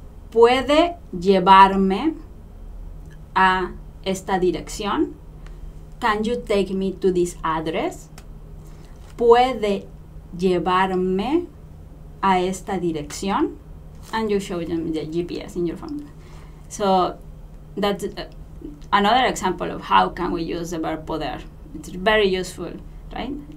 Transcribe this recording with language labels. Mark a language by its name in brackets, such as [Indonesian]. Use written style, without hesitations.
[Spanish] ¿Puede llevarme a esta dirección? Can you take me to this address? ¿Puede llevarme a esta dirección? [English] And you show them the GPS in your phone. So that's another example of how can we use the verb poder. It's very useful, right?